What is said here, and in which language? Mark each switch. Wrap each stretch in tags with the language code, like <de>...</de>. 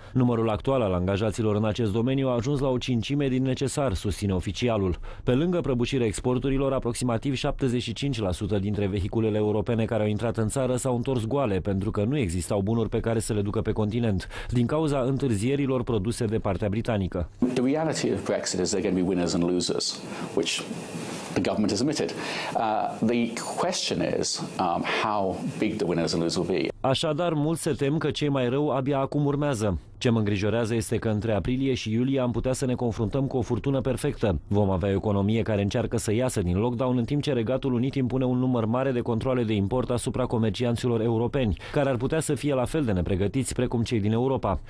<ro>Numărul actual al angajaților în acest domeniu a ajuns la o cincime din necesar, susține oficialul. Pe lângă prăbușirea exporturilor, aproximativ 75% dintre vehiculele europene care au intrat în țară s-au întors goale pentru că nu existau bunuri pe care să le ducă pe continent, din cauza întârzierilor produse de partea britanică.</ro> <en>The reality of Brexit is there going to be winners and losers, which the government has admitted. The question is how big the winners and losers will be.</en> <ro>Așadar, mulți se tem că cei mai rău abia acum urmează. Ce mă îngrijorează este că între aprilie și iulie am putea să ne confruntăm cu o furtună perfectă. Vom avea o economie care încearcă să iasă din lockdown în timp ce Regatul Unit impune un număr mare de controle de import asupra comercianților europeni, care ar putea să fie la fel de nepregătiți precum cei din Europa.</ro>